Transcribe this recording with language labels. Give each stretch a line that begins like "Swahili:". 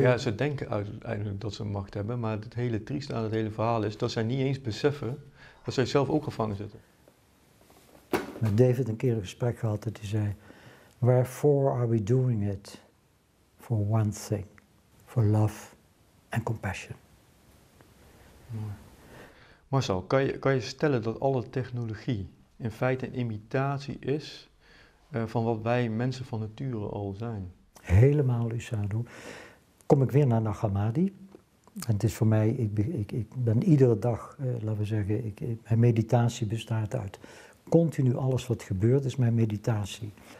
Dutch: Maar ja, ze denken uiteindelijk dat ze macht hebben. Maar het hele trieste aan het hele verhaal is dat zij niet eens beseffen dat zij zelf ook gevangen zitten. Met David een keer een gesprek gehad dat hij zei,
English: Wherefore are we doing it? For one thing, for love and compassion.
Dutch: Marcel, kan je stellen dat alle technologie in feite een imitatie is van wat wij mensen van nature al zijn? Helemaal, Lusado. Kom ik weer naar Nagamadi. En het is voor mij, ik ben iedere dag, laten we zeggen, mijn meditatie bestaat uit continu alles wat gebeurt is mijn meditatie.